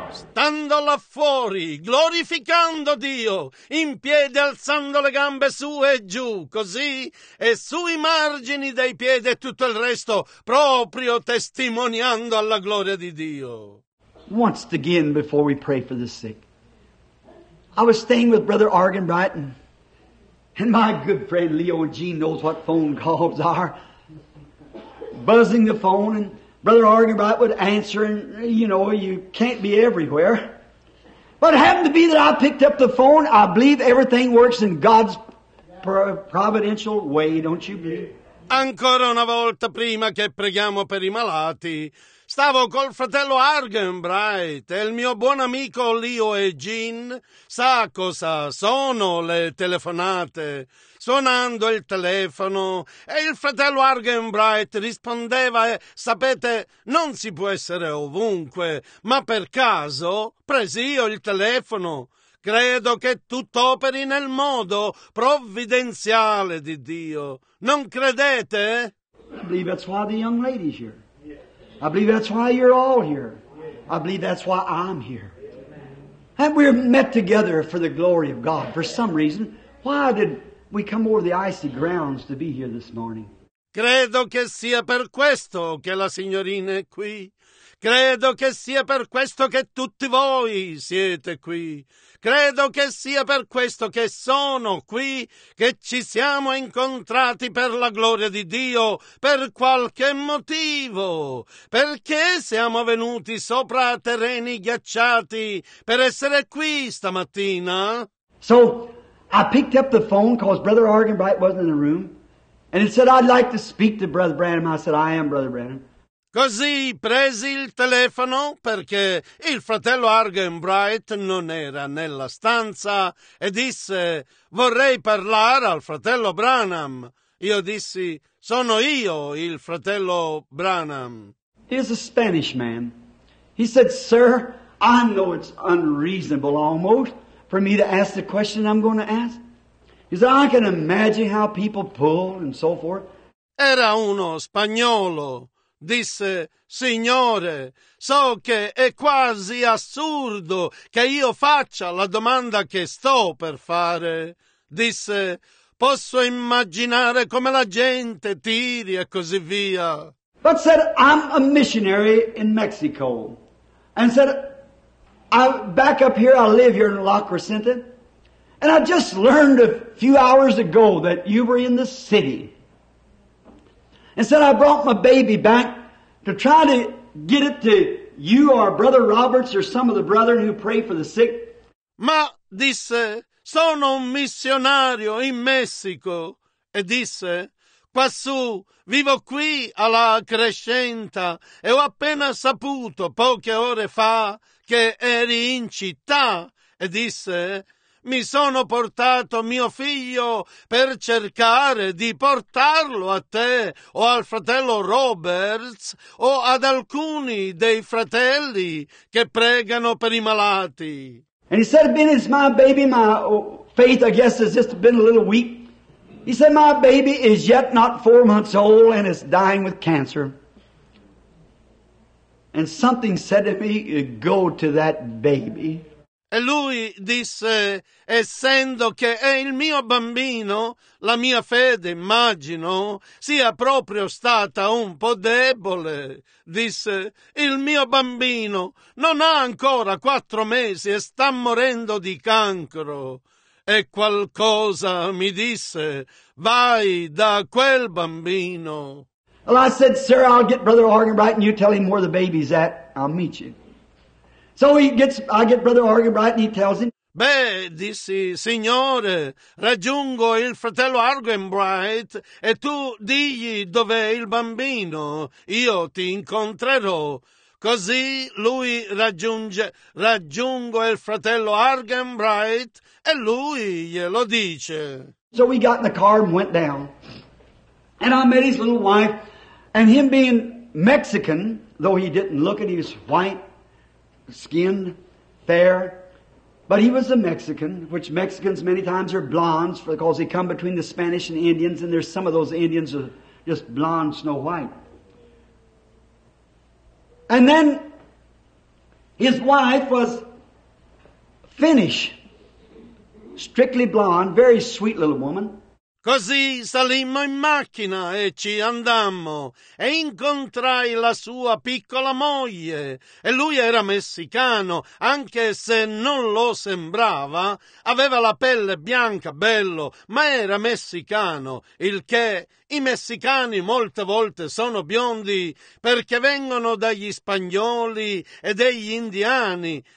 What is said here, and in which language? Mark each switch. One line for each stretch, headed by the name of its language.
Italian: saltando là fuori, glorificando Dio, in piedi alzando le gambe su e giù, così, e sui margini dei piedi e tutto il resto, proprio testimoniando alla gloria di Dio.
English: Once again, before we pray for the sick, I was staying with Brother Argan Brighton, and my good friend Leo and Gene knows what phone calls are. Buzzing the phone, and Brother Argan Bright would answer, and you know, you can't be everywhere. But it happened to be that I picked up the phone. I believe everything works in God's providential way, don't you believe?
Italian: Ancora una volta, prima che preghiamo per i malati, stavo col fratello Argan Bright e il mio buon amico Leo e Gene. Sa cosa sono le telefonate? Suonando il telefono e il fratello Argan Bright rispondeva: sapete, non si può essere ovunque, ma per caso presi io il telefono. Credo che tutto operi nel modo provvidenziale di Dio. Non credete?
English: I believe that's why the young lady's here. I believe that's why you're all here. I believe that's why I'm here. And we're met together for the glory of God. For some reason, why did we come over the icy grounds to be here this morning?
Italian: Credo che sia per questo che la signorina è qui. Credo che sia per questo che tutti voi siete qui. Credo che sia per questo che sono qui, che ci siamo incontrati per la gloria di Dio, per qualche motivo. Perché siamo venuti sopra terreni ghiacciati per essere qui stamattina?
English: So, I picked up the phone because Brother Argan Bright wasn't in the room. And it said, I'd like to speak to Brother Branham. I said, I am Brother Branham.
Italian: Così presi il telefono perché il fratello Argan Bright non era nella stanza e disse: vorrei parlare al fratello Branham. Io dissi: sono io il fratello Branham.
English: He is a Spanish man. He said, sir, I know it's unreasonable almost for me to ask the question I'm going to ask. He said, I can imagine how people pull and so forth.
Italian: Era uno spagnolo. Disse: signore, so che è quasi assurdo che io faccia la domanda che sto per fare. Disse: posso immaginare come la gente tiri e così via.
English: But said, I'm a missionary in Mexico. And said, I'm back up here, I live here in La Crescenta. And I just learned a few hours ago that you were in the city. And said, I brought my baby back to try to get it to you or Brother Roberts or some of the brethren who pray for the sick.
Italian: Ma, disse, sono un missionario in Messico. E disse, quassù, vivo qui alla Crescenta e ho appena saputo poche ore fa che eri in città. E disse, mi sono portato mio figlio per cercare di portarlo a te o al fratello Roberts o ad alcuni dei fratelli che pregano per i malati.
English: And he said, being it's my baby, my faith, I guess, has just been a little weak. He said, my baby is yet not 4 months old and is dying with cancer. And something said to me, go to that baby.
Italian: E lui disse, essendo che è il mio bambino, la mia fede, immagino, sia proprio stata un po' debole. Disse, il mio bambino non ha ancora 4 mesi e sta morendo di cancro. E qualcosa mi disse, vai da quel bambino.
English: Well, I said, sir, I'll get Brother Argan Bright and you tell him where the baby's at. I'll meet you. So I get Brother Argan Bright and he tells him.
Italian: Beh, dissi, signore, raggiungo il fratello Argan Bright e tu digli dov'è il bambino. Io ti incontrerò. Così lui raggiungo il fratello Argan Bright e lui glielo dice.
English: So we got in the car and went down. And I met his little wife. And him being Mexican, though he didn't look it, he was white. Skin, fair, but he was a Mexican, which Mexicans many times are blondes because they come between the Spanish and Indians, and there's some of those Indians are just blonde, snow white. And then His wife was Finnish, strictly blonde, very sweet little woman.
Italian: Così salimmo in macchina e ci andammo e incontrai la sua piccola moglie e lui era messicano, anche se non lo sembrava, aveva la pelle bianca, bello, ma era messicano, il che i messicani molte volte sono biondi perché vengono dagli spagnoli e degli indiani.